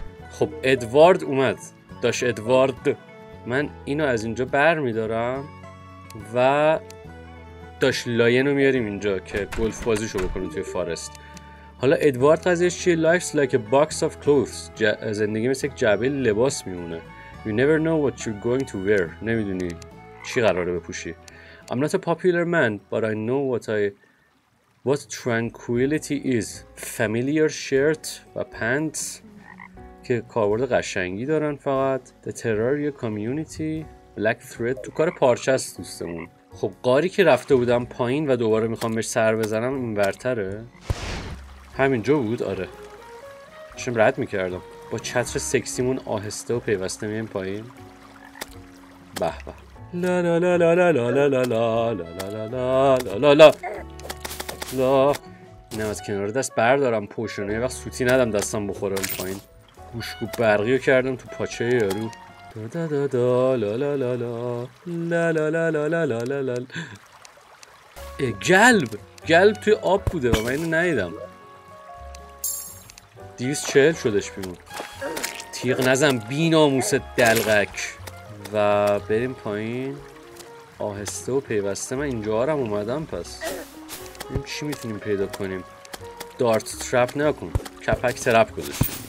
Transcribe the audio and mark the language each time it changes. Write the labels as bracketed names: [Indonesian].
[Persian] خب ادوارد اومد، داش ادوارد. من اینو از اینجا بر میدارم و داش لاین رو میاریم اینجا که گلف بازیشو بکنیم توی فارست. حالا ادوارد قضیهش چیه؟ [English] Life's like a box of clothes. [Persian] زندگی مثل یک جعبه لباس میمونه. [English] You never know what you're going to wear. [Persian] نمیدونی چی قراره بپوشی. [English] I'm not a popular man, but I know what tranquility is. Familiar shirt [Persian] و pants که کاربرد قشنگی دارن فقط. [English] The Terraria community. Black thread. [Persian] تو کار پارچه است دوستمون. خب قاری که رفته بودم پایین و دوباره میخوام بهش سر بزنم، این برتره. همینجا بود؟ آره. داشتم رد میکردم با چتر سکسیمون آهسته و پیوسته میایم پایین. به به لا لا لا لا لا لا لا لا لا لا لا لا لا لا لا لا لا نه از کنار دست بردارم پوشونه، یه وقت سوتی ندم دستم بخوره اون پایین. گوشکوب برقی رو کردم تو پاچه یارو. دا دا دا دا لا لا لا لا لا لا لا لا لا لا لا لا لا. ای گلب، گلب توی آب بوده و من اینو ندیدم. 240 شدش بیمون. تیغ نزن بی ناموس دلقک. و بریم پایین آهسته و پیوسته. من اینجا هم اومدم پس این چی میتونیم پیدا کنیم؟ دارت ترپ نکن، کپک ترپ گذاشت.